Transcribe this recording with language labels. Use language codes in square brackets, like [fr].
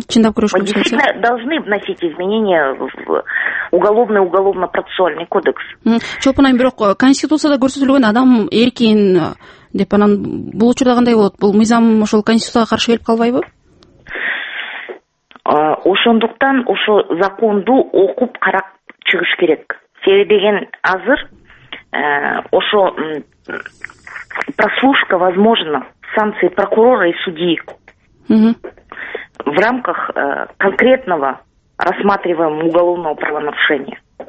[ru] действительно должны вносить изменения в уголовный, уголовно-процессуальный кодекс. [ky] Чолпон айым, бирок конституцияда көрсөтүлгөн адам эркин деп, анан бул учурда кандай болот? Бул мыйзам ошол конституцияга каршы келип калбайбы? Ошондуктан ошо законду окуп карап чыгыш керек. Себеби деген азыр ошо [ru] прослушка возможна санкции прокурора и судьи в рамках конкретного рассматриваемого уголовного правонарушения.